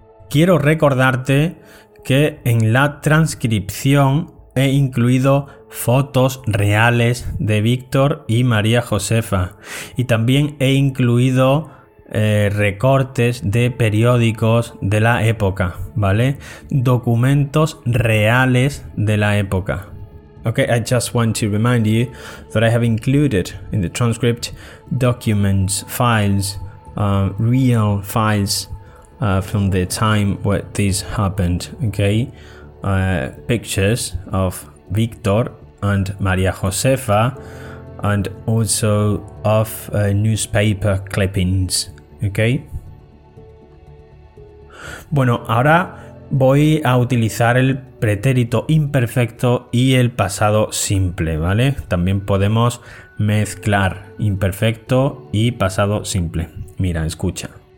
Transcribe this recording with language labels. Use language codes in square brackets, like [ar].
[es] Quiero recordarte que en la transcripción he incluido fotos reales de Víctor y María Josefa, y también he incluido recortes de periódicos de la época, ¿vale? Documentos reales de la época. [en] Okay, I just want to remind you that I have included in the transcript documents, files, real files from the time where this happened, okay? Pictures of Víctor and María Josefa, and also of newspaper clippings, okay? [es] Bueno, ahora voy a utilizar el pretérito imperfecto y el pasado simple, ¿vale? También podemos mezclar imperfecto y pasado simple. Mira, escucha.